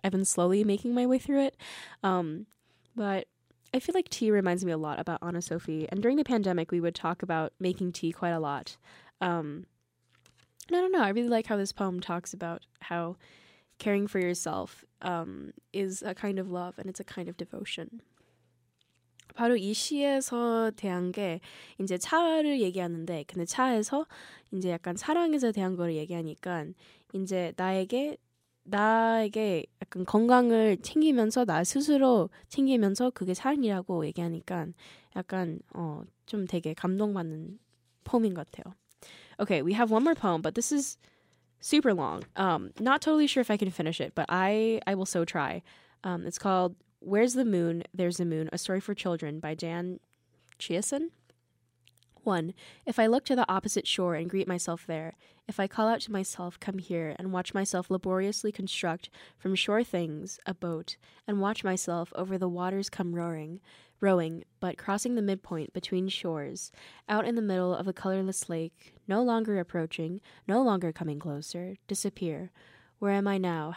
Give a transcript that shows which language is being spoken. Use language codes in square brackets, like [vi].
[en] I've been slowly making my way through it. But I feel like tea reminds me a lot about Anna Sophie. And during the pandemic, we would talk about making tea quite a lot. And I don't know. I really like how this poem talks about how caring for yourself is a kind of love and it's a kind of devotion. [ko] 바로 이 시에서 대한 게 이제 차를 얘기하는데 근데 차에서 이제 약간 사랑에서 대한 거를 얘기하니까 이제 나에게 약간 건강을 챙기면서 나 스스로 챙기면서 그게 사랑이라고 얘기하니까 약간 좀 되게 감동받는 poem인 것 같아요. [en] Okay, we have one more poem, but this is super long. Not totally sure if I can finish it, but I will so try. It's called Where's the Moon? There's the Moon, A Story for Children by Dan Chiasson. 1. If I look to the opposite shore and greet myself there, if I call out to myself, come here, and watch myself laboriously construct from shore things a boat, and watch myself over the waters come rowing, but crossing the midpoint between shores, out in the middle of a colorless lake, no longer approaching, no longer coming closer, disappear. Where am I now?